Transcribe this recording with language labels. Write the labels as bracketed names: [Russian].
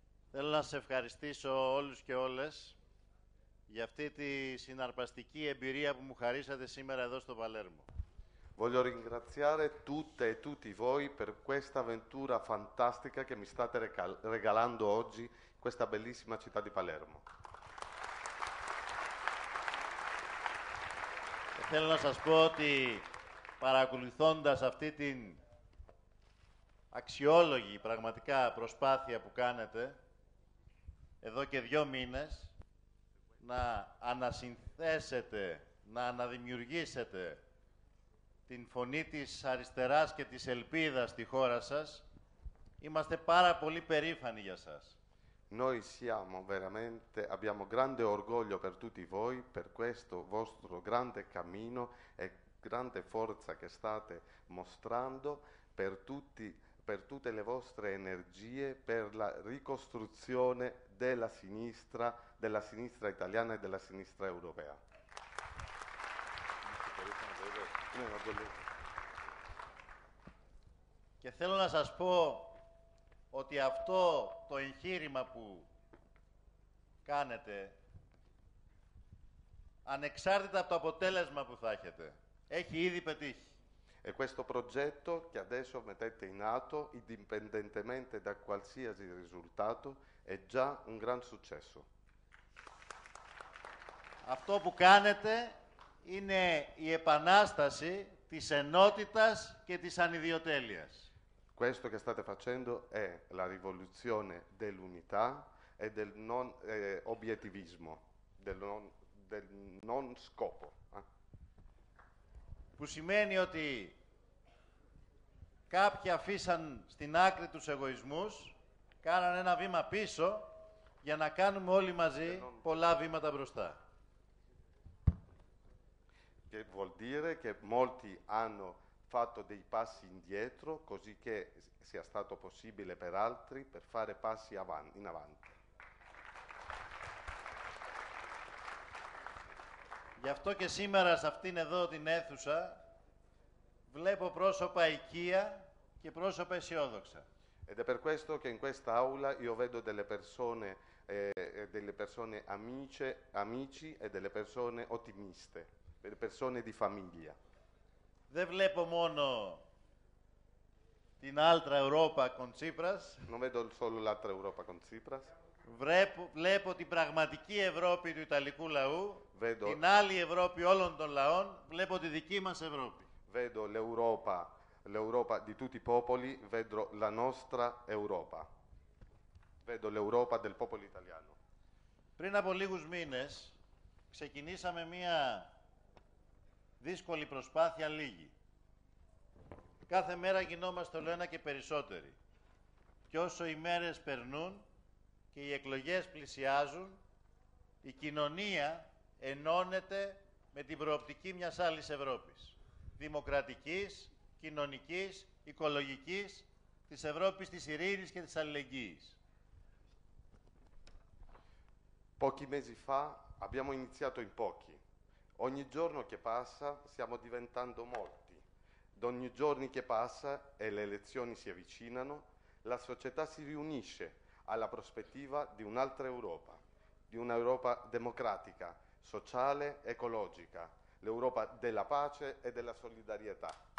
[Greek] να σε ευχαριστήσω όλους και όλες για αυτή τη συναρπαστική εμπειρία που μου χαρίσατε σήμερα εδώ στο Παλέρμο. [Italian] Voglio ringraziare tutte e tutti voi per questa avventura fantastica che mi state regalando oggi in questa bellissima città di Palermo. [Greek] Θέλω να σας πω ότι παρακολουθώντας αυτή την αξιόλογη πραγματικά προσπάθεια που κάνετε εδώ και δύο μήνες να ανασυνθέσετε, να αναδημιουργήσετε την φωνή της αριστεράς και της ελπίδας στη χώρα σας, είμαστε πάρα πολύ περήφανοι για σας. [Italian] Noi siamo veramente, abbiamo grande orgoglio per tutti voi, per questo vostro grande cammino e grande forza che state mostrando per tutti, per tutte le vostre energie, per la ricostruzione della sinistra italiana e della sinistra europea. [Greek] Και θέλω να σας πω ότι αυτό το εγχείρημα που κάνετε, ανεξάρτητα από το αποτέλεσμα που θα έχετε, έχει ήδη πετύχει. [Italian] E questo progetto che adesso mettete in atto, indipendentemente da qualsiasi risultato, è già un gran successo. [Greek] Αυτό που κάνετε είναι η επανάσταση της ενότητας και της ανιδιοτέλειας. [Italian] Questo che state facendo è la rivoluzione dell'unità e del non obiettivismo, del non scopo. [Greek] Που σημαίνει ότι κάποιοι αφήσαν στην άκρη τους εγωισμούς, κάναν ένα βήμα πίσω για να κάνουμε όλοι μαζί πολλά βήματα μπροστά. [Italian] Che vuol dire che molti hanno fatto dei passi indietro, così che sia stato possibile per altri per fare passi in avanti. [Greek] Γι' αυτό και σήμερα σε αυτήν εδώ την αίθουσα βλέπω πρόσωπα οικεία και πρόσωπα αισιόδοξα. [Italian] Ed è per questo che in questa aula io vedo delle persone amici e delle persone ottimiste. Per persone di famiglia. [Greek] Δεν βλέπω μόνο την άλλη Ευρώπη con Tsipras. [Italian] Non vedo solo l'altra Europa con Tsipras. [Greek] Βλέπω την πραγματική Ευρώπη του Ιταλικού λαού, την άλλη Ευρώπη όλων των λαών, βλέπω τη δική μας Ευρώπη. [Italian] Vedo l'Europa, l'Europa di tutti i popoli, vedo la nostra Europa. Vedo l'Europa del popolo italiano. [Greek] Πριν από λίγους μήνες ξεκινήσαμε μια δύσκολη προσπάθεια λίγη. Κάθε μέρα γινόμαστε όλο ένα και περισσότεροι. Και όσο οι μέρες περνούν και οι εκλογές πλησιάζουν, η κοινωνία ενώνεται με την προοπτική μιας άλλης Ευρώπης. Δημοκρατικής, κοινωνικής, οικολογικής, της Ευρώπης της ειρήνης και της αλληλεγγύης. [Italian] Pochi mesi fa abbiamo iniziato in pochi. Ogni giorno che passa stiamo diventando molti. Ogni giorno che passa e le elezioni si avvicinano, la società si riunisce alla prospettiva di un'altra Europa, di un'Europa democratica, sociale, ecologica, l'Europa della pace e della solidarietà.